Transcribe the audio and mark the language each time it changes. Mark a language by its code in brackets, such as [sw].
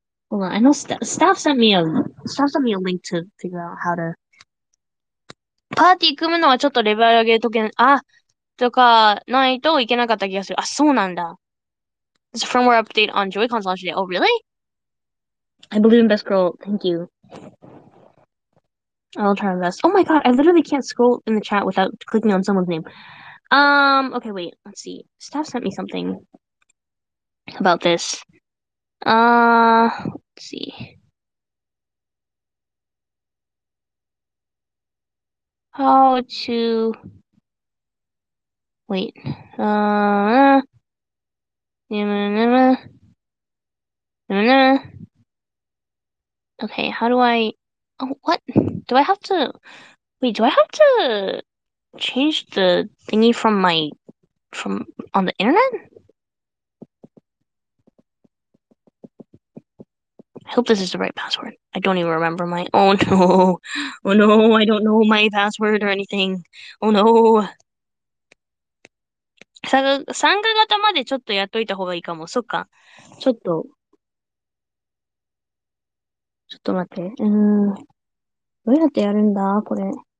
[en] Hold on, I know staff sent me a link to figure out how to. [ja] パーティー組むのはちょっとレベル上げとけ、とか、ないといけなかった気がする。あ、そうなんだ。 [en] It's a firmware update on Joy-Con's launch day. Oh, really? I believe in best girl. Thank you. I'll try my best. Oh my god, I literally can't scroll in the chat without clicking on someone's name. Okay, wait. Let's see. Staff sent me something about this. Let's see. How to wait? Okay, how do I? Oh, what? Do I have to? Wait, do I have to change the thingy from on the internet? Hope this is the right password. I don't even remember my. Oh no. Oh no, I don't know my password or anything. Oh no. [ja] 参加型までちょっとやっといた方がいいかも。そっか。ちょっと待って。どうやってやるんだ、これ。